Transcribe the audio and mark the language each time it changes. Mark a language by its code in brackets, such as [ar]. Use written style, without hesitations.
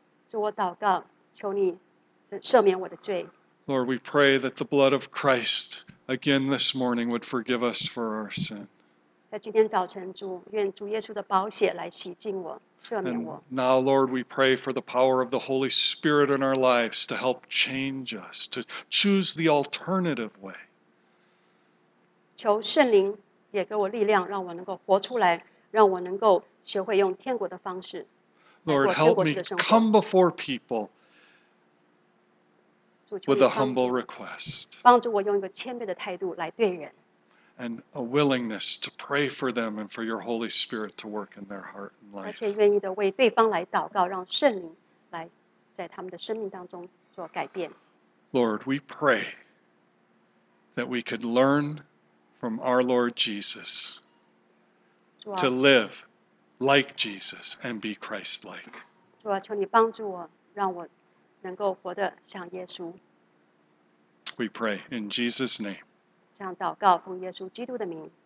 [zh] 主，我祷告，求你赦免我的罪。 [en] Lord, we pray that the blood of Christ again this morning would forgive us for our sin. [zh] 在今天早晨，主，愿主耶稣的宝血来洗净我，赦免我。 [en] And now, Lord, we pray for the power of the Holy Spirit in our lives to help change us, to choose the alternative way. [zh] 求圣灵也给我力量，让我能够活出来，让我能够学会用天国的方式。 [en] Lord, help me come before people with a humble request. [zh] 帮助我用一个谦卑的态度来对人。 [en] And a willingness to pray for them and for your Holy Spirit to work in their heart and life. [zh] 而且愿意的为对方来祷告，让圣灵来在他们的生命当中做改变。 [en] Lord, we pray that we could learn from our Lord Jesus to live. Like Jesus and be Christ-like. [zh] 主啊，求你帮助我，让我能够活得像耶稣。 [en] We pray in Jesus' name. [zh] 这样祷告，奉耶稣基督的名。